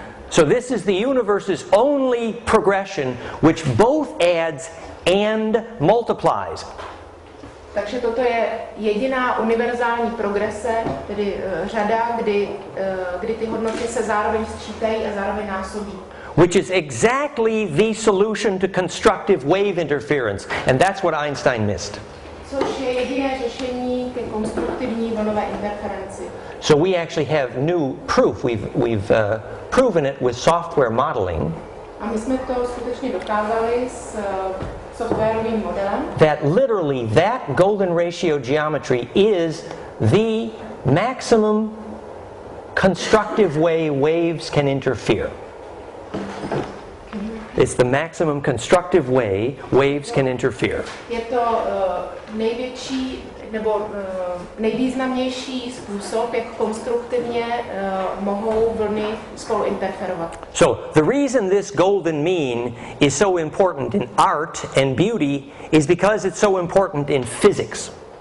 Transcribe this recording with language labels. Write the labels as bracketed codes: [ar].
[en] So this is the universe's only progression which both adds and multiplies. [cs] Takže toto je jediná univerzální progrese, tedy řada, kdy ty hodnoty se zároveň sčítají a zároveň násobí. [en] Which is exactly the solution to constructive wave interference, and that's what Einstein missed. [cs] Což je jediné řešení ke konstruktivní vlnové interferenci. [en] So we actually have new proof. We've proven it with software modeling. [cs] A my jsme to skutečně dokázali s softwarovým modelem. [en] That literally that golden ratio geometry is the maximum constructive way waves can interfere. It's the maximum constructive way waves can interfere. [cs] Je to největší nebo nejvýznamnější způsob, jak konstruktivně mohou vlny spolu interferovat. [en] So the reason this golden mean is so important in art and beauty is because it's so important in physics.